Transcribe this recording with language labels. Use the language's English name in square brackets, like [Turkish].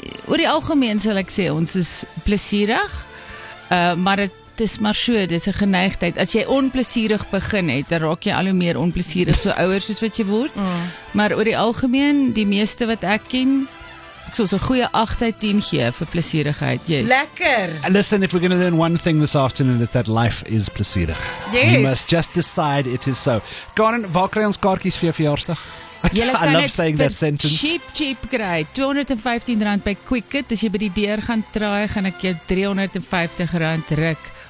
[Afrikaans] Oor die algemeen sal ek sê, ons is plesierig, maar het is maar so, dit is 'n geneigtheid. As jy onplesierig begin het, dan raak jy al hoe meer onplesierig, so ouer soos wat jy word. Maar oor die algemeen, die meeste wat ek ken, so is 'n goeie 8 uit 10 gee vir plesierigheid. [English] Yes. [Afrikaans] Lekker! [English] Listen, if we're going to learn one thing this afternoon, is that life is plesierig. Yes. You must just decide it is so. [Afrikaans] Karen, waar kry ons kaartjies vir jou verjaarsdag? [English] I love saying that sentence. Cheap kry R215 by Quicket. [Afrikaans] As jy by die deur gaan traai, gaan ek jou R350 ruk.